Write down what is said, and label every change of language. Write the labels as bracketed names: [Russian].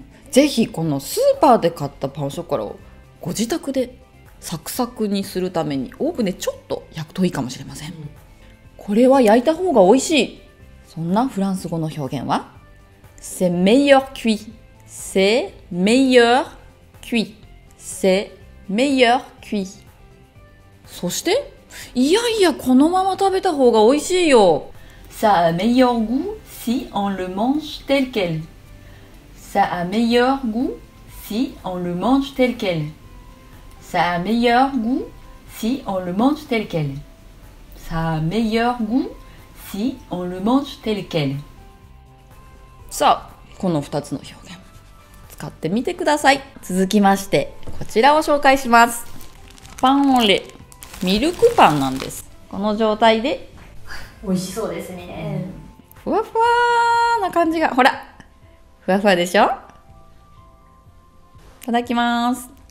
[Japanese] ぜひこのスーパーで買ったパンショコラをご自宅でサクサクにするためにオーブンでちょっと焼くといいかもしれません、これは焼いた方が美味しい。そんなフランス語の表現は [French] C'est meilleur cuit. C'est meilleur cuit. C'est meilleur cuit. [Japanese] そしていやいや、このまま食べた方が美味しいよ。 [French] Ça a meilleur goût si on le mange tel quel. Ça a meilleur goût si on le mange tel quel. Ça a meilleur goût si on le mange tel quel. Ça a meilleur goût si on le mange tel quel. [Japanese] さあ、この2つの表現使ってみてください。続きましてこちらを紹介します。パンオレ、ミルクパンなんです。この状態で美味しそうですね、ふわふわな感じが、ほらふわふわでしょ。いただきます。